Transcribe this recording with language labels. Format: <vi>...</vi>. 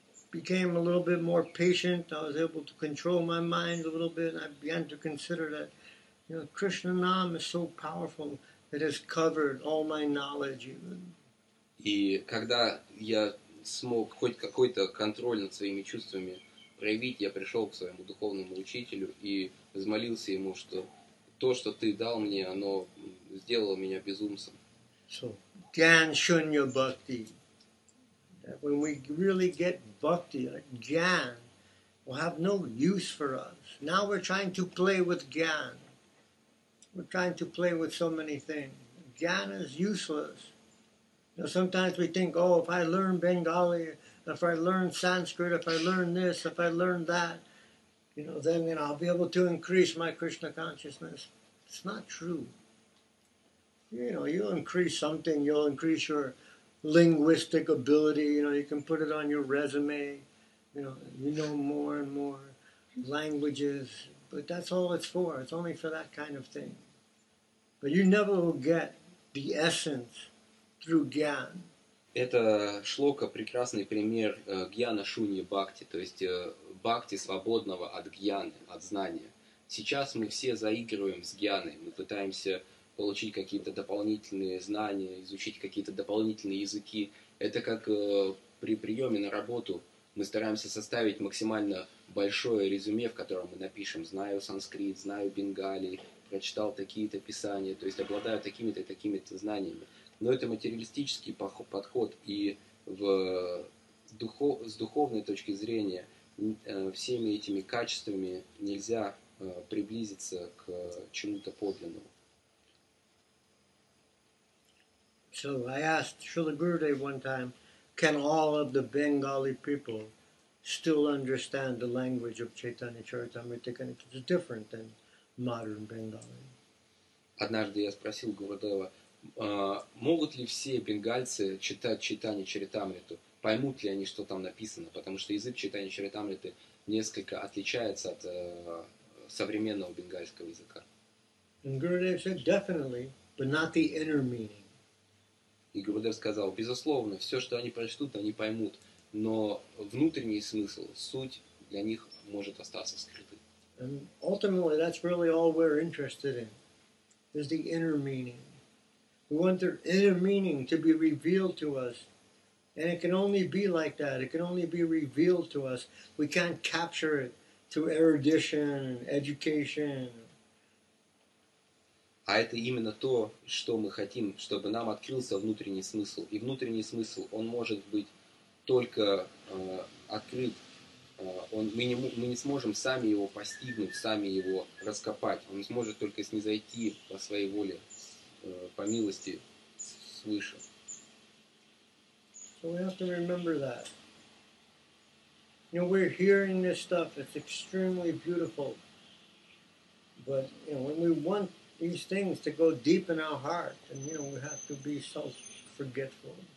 <en>Became a little bit more patient. I was able to control my mind a little bit. And I began to consider that, you know, Krishna Nam is so powerful that it has covered all my knowledge. Even.</en> <ru>И когда я смог хоть какой-то контроль над своими чувствами проявить, я пришел к своему духовному учителю и взмолился ему, что то, что ты дал мне, оно сделало меня безумцем.</ru> <en>So, Gyan Shunya Bhakti. When we really get bhakti, like jnana, will have no use for us. Now we're trying to play with jnana. We're trying to play with so many things. Jnana is useless. You know, sometimes we think, oh, if I learn Bengali, if I learn Sanskrit, if I learn this, if I learn that, you know, then you know, I'll be able to increase my Krishna consciousness. It's not true. You know, you'll increase something, you'll increase your linguistic ability, you know, you can put it on your resume, you know more and more languages, but that's all it's for. It's only for that kind of thing. But you never will get the essence through gyan.</en> <ru>Это шлока прекрасный пример гьяна шуньи бхакти, то есть бхакти свободного от гьяны, от знания. Сейчас мы все заигрываем с гьяной, мы пытаемся получить какие-то дополнительные знания, изучить какие-то дополнительные языки. Это как при приеме на работу. Мы стараемся составить максимально большое резюме, в котором мы напишем «Знаю санскрит», «Знаю бенгали», «Прочитал такие-то писания», то есть обладаю такими-то и такими-то знаниями. Но это материалистический подход. И с духовной точки зрения всеми этими качествами нельзя приблизиться к чему-то подлинному.</ru> <en>So I asked Srila Gurudev one time, can all of the Bengali people still understand the language of Chaitanya Charitamrita? And it's different than modern Bengali.</en> <ru>Однажды я спросил Гурудева, могут ли все бенгальцы читать Чайтанья Чаритамриту? Поймут ли они, что там написано? Потому что язык Чайтанья Чаритамриты несколько отличается от современного бенгальского языка.</ru> <en>And Gurudev said, definitely, but not the inner meaning.</en> <ru>И Гурудев сказал, безусловно, все, что они прочтут, они поймут. Но внутренний смысл, суть для них может остаться скрытой.</ru> <en>Ultimately, that's really all we're interested in. is the inner meaning. We want their inner meaning to be revealed to us. And it can only be like that. It can only be revealed to us. We can't capture it through erudition, education.</en> <ru>А это именно то, что мы хотим, чтобы нам открылся внутренний смысл. И внутренний смысл, он может быть только открыт. Мы не сможем сами его постигнуть, сами его раскопать. Он сможет только снизойти по своей воле, по милости свыше.</ru> <en>So we have to remember that. You know, we're hearing this stuff, it's extremely beautiful. But, you know, when we want these things to go deep in our heart, and, you know, we have to be self-forgetful.</en>